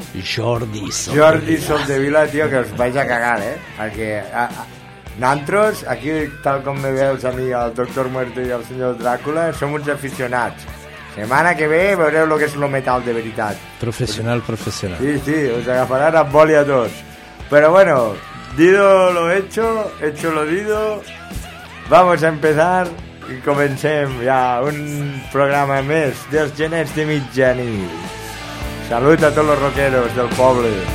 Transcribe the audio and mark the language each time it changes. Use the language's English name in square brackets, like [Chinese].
[Catalan] Jordi Soldevila, tio, que us vaig a cagar, eh? Perquè nosaltres, aquí, tal com me veus a mi, el doctor Muerto i el senyor Dràcula, som uns aficionats. Setmana que ve veureu lo que és lo metal de veritat. Professional. Sí, us agafaran amb boli a tots. [Spanish] Però bueno, dido lo hecho, hecho lo dido, vamos a empezar... [Catalan] I comencem ja un programa més dels geners de mitjanit. Salut a tots els rockeros del poble.